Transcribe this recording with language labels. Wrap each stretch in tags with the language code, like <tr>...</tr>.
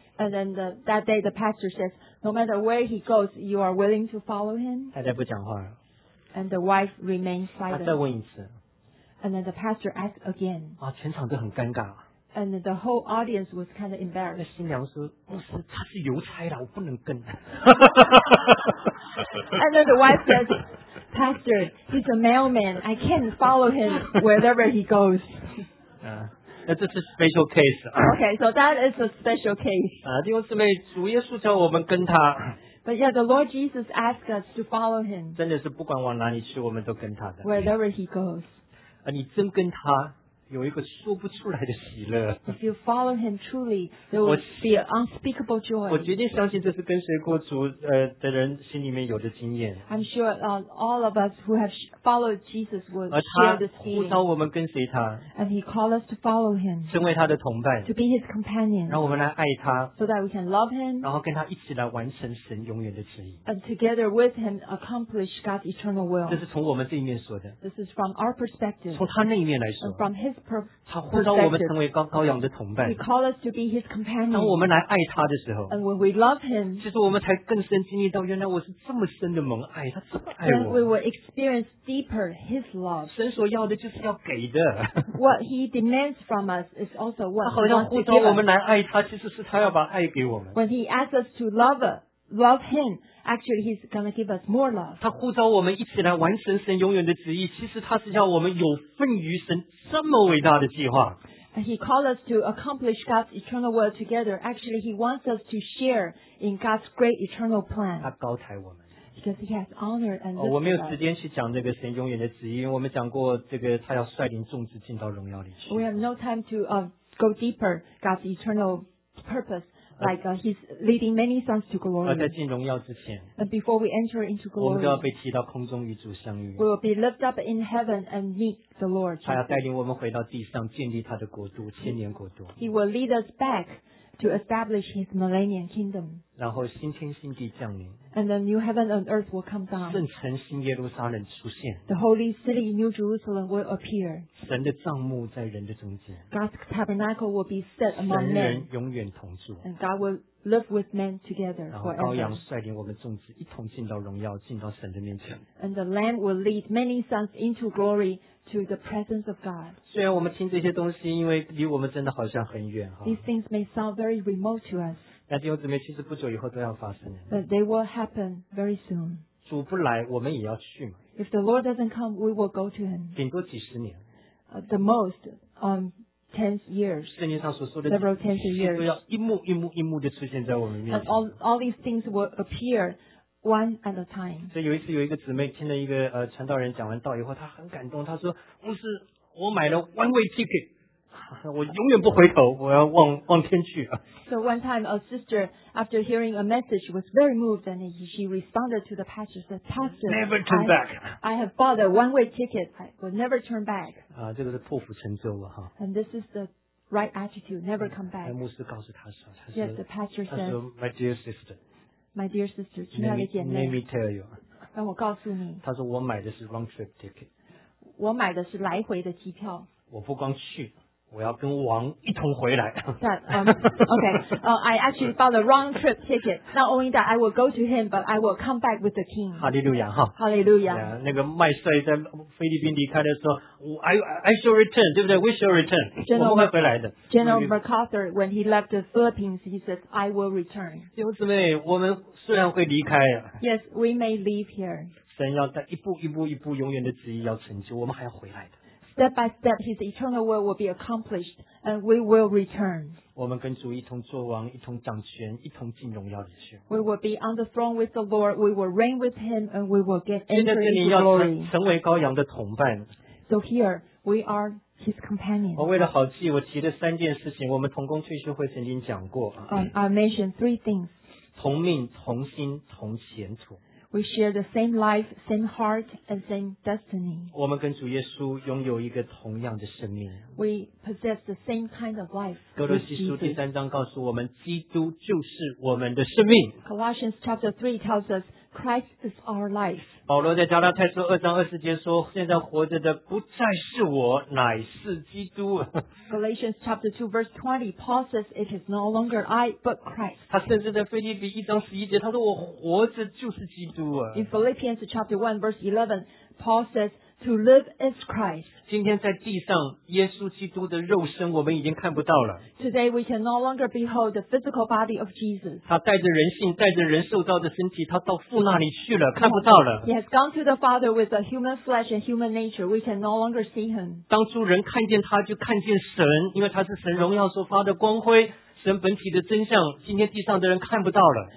<en>And then that day, the pastor says, "No matter where he goes, you are willing to follow him."</en> <zh>太太不讲话。</zh> <en>And the wife remains silent.</en> <zh>他再问一次。</zh> <en>And then the pastor asks again.</en> <zh>全场都很尴尬。</zh> <en>And the whole audience was kind of embarrassed.</en> <zh>新娘说：“牧师，他是邮差啦，我不能跟。</zh> <en>”And then the wife says, "Pastor, he's a mailman. I can't follow him wherever he goes." That's a special case. Okay, so that is a special case.</en> <zh>弟兄姊妹，主耶稣叫我们跟他。</zh> <en>But yeah, the Lord Jesus asked us to follow him.</en> <zh>真的是不管往哪里去，我们都跟他的。</zh> <en>Wherever he goes.</en> <zh>你真跟他。有一个说不出来的喜乐。</zh> <en>If you follow him truly, there will be an unspeakable joy.</en> <zh>我决定相信这是跟随过主的人心里面有的经验。</zh> <en>I'm sure all of us who have followed Jesus will share this feeling.</en> <zh>而他呼召我们跟随他。</zh> <en>And he called us to follow him.</en> <zh>成为他的同伴。</zh> <en>To be his companion.</en> <zh>让我们来爱他。</zh> <en>So that we can love him.</en> <zh>然后跟他一起来完成神永远的旨意。</zh> <en>And together with him accomplish God's eternal will.</en> <zh>这是从我们这一面说的。</zh> <en>This is from our perspective.</en> <zh>从他那一面来说。</zh> <en>From his perspective. He called us to be his companion.</en> <zh>当我们来爱他的时候,</zh> <en>and when we love him,</en> <zh>其实我们才更深经历到原来我是这么深的蒙爱, 他这么爱我。</zh> <en>Then we will experience deeper his love.</en> <zh>神所要的就是要给的。</zh> <en>What he demands from us is also what he wants to give us.</en> <zh>他好像呼召我们来爱他, 其实是他要把爱给我们。</zh> <en>When he asks us to love us,love him, actually he's going to give us more love.</en> <zh>他呼召我们一起来完成神永远的旨意，其实他是要我们有份于神这么伟大的计划。</zh> <en>He called us to accomplish God's eternal will together. Actually he wants us to share in God's great eternal plan.</en> <zh>他高抬我们。</zh> <en>Because he has honored and lifted us.</en> <zh>我没有时间去讲这个神永远的旨意，因为我们讲过这个他要率领众子进到荣耀里去。</zh> <en>We have no time to go deeper God's eternal purpose. Like he's leading many sons to glory.</en> <zh>在进荣耀之前,</zh> <en>and before we enter into glory,</en> <zh>我们都要被提到空中与主相遇。</zh> <en>We will be lifted up in heaven and meet the Lord.</en> <zh>他要带领我们回到地上，建立他的国度，千年国度。</zh> <en>He will lead us back to establish his millennial kingdom.</en> <zh>然后新天新地降临。</zh> <en>And the new heaven and earth will come down.</en> <zh>圣城新耶路撒冷出现。</zh> <en>The holy city, New Jerusalem, will appear.</en> <zh>神的帐幕在人的中间。</zh> <en>God's tabernacle will be set among men.</en> <zh>神人永远同住。</zh> <en>And God will live with men together forever.</en> <zh>然后羔羊率领我们众子一同进到荣耀，进到神的面前。</zh> <en>And the Lamb will lead many sons into glory. To the presence of God.</en> <zh>虽然我们听这些东西，因为离我们真的好像很远。</zh> <en>These things may sound very remote to us.</en> <zh>那弟兄姊妹，其实不久以后都要发生。</zh> <en>But they will happen very soon.</en> <zh>主不来，我们也要去嘛。</zh> <en>If the Lord doesn't come, we will go to Him.</en> <zh>顶多几十年。</zh> <en>The most, tens years.</en> <zh>圣经上所说的</zh> <en>several tens of years.</en> <zh>都要一幕一幕一幕的出现在我们面前。</zh> <en>And all these things will appear. One at a time.</en> <zh>所以有一次有一个姊妹听了一个传道人讲完道以后，她很感动，她说：“牧师，我买了</zh> <en>one way ticket，</en> <zh>我永远不回头，我要往天去。”</zh> <en>So one time, a sister after hearing a message was very moved, and she responded to the pastor, said, "Pastor, never turn back. I have bought a one way ticket. I will never turn back."</en> <zh>啊，这个是破釜沉舟了哈。</zh> <en>And this is the right attitude, never come back.</en> <zh>牧师告诉她说，她说</zh> <en>，Yes, the pastor said,</en> <zh>她说</zh> <en>，My dear sister. My dear sister,</en> <zh>亲爱的姐妹</zh> <en>let me tell you.</en> <zh>让我告诉你。他说我买的是</zh> <en>round trip ticket.</en> <zh>我买的是来回的机票。我不光去，我要跟王一同回来。</zh> <en>That, okay. I actually bought a round trip ticket. Not only that, I will go to him, but I will come back with the king. Hallelujah, huh? Hallelujah. Yeah,</en> <zh>那个麦帅在菲律宾离开的时候</zh> <en>I shall return,</en> <zh>对不对 ？</zh> <en>We shall return. General,</en> <zh>我们会回来的。</zh> <en>General MacArthur, when he left the Philippines, he said, I will return.</en> <zh>弟兄姊妹，我们虽然会离开。</zh> <en>Yes, we may leave here.</en> <zh>神要在一步一步一步永远的旨意要成就，我们还要回来的。</zh> <en>Step by step, his eternal will be accomplished, and we will return.</en> <zh>我们跟主一同作王，一同掌权，一同进荣耀里去。</zh> <en>We will be on the throne with the Lord. We will reign with him, and we will get entry into glory.</en> <zh>现在这里要成为羔羊的同伴。</zh> <en>So here we are his companion.</en> <zh>我为了好记，我提了三件事情。我们同工退休会曾经讲过。</zh> <en>I mentioned three things.</en> <zh>同命、同心、同前途。</zh> <en>We share the same life, same heart, and same destiny.</en> <zh>我们跟主耶稣拥有一个同样的生命。</zh> <en>We possess the same kind of life.</en> <zh>哥罗西书第三章告诉我们，基督就是我们的生命。</zh> <en>Colossians chapter 3 tells us Christ is our life.</en> <zh>保罗在加拉太书二章二十节说，现在活着的不再是我，乃是基督。</zh> <en>Galatians chapter 2 verse 20, Paul says it is no longer I, but Christ.</en> <zh>他甚至在腓立比一章十一节，他说我活着就是基督啊。</zh> <en>In Philippians chapter 1 verse 11, Paul says to live is Christ.</en> <zh>今天在地上，耶稣基督的肉身我们已经看不到了。</zh> <en>Today we can no longer behold the physical body of Jesus.</en> <zh>他带着人性，带着人受造的身体，他到父那里去了，看不到了。</zh> <en>He has gone to the Father with a human flesh and human nature. We can no longer see him.</en> <zh>当初人看见他就看见神，因为他是神荣耀所发的光辉。神本体的真相，今天地上的人看不到了。</zh>